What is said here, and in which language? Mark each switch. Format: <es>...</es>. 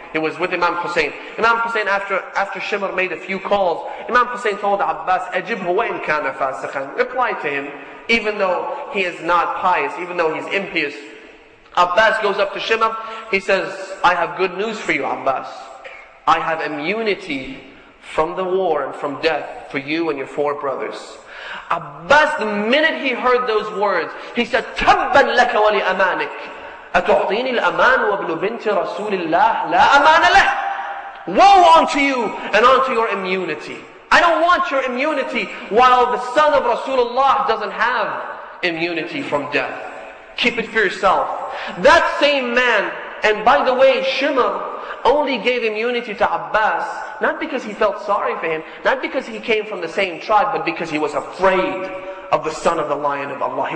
<en>He was with Imam Hussein. Imam Hussein, after Shimr made a few calls, Imam Hussein told Abbas,</en> <ar>أجبه وإن كان فاسخا.</ar> <en>Reply to him, even though he is not pious, even though he's impious. Abbas goes up to Shimr. He says, I have good news for you, Abbas. I have immunity from the war and from death for you and your four brothers. Abbas, the minute he heard those words, he said,</en> <ar>تَبَّا لَكَ وَلِأَمَانِكَ أَتُعْطِينِ الْأَمَانُ وَابْنُ بِنْتِ رَسُولِ اللَّهِ لَا أَمَانَ لَهُ.</ar> <en>Woe unto you and unto your immunity. I don't want your immunity while the son of Rasulullah doesn't have immunity from death. Keep it for yourself. That same man, and by the way, Shimr only gave immunity to Abbas, not because he felt sorry for him, not because he came from the same tribe, but because he was afraid of the son of the Lion of Allah.</en>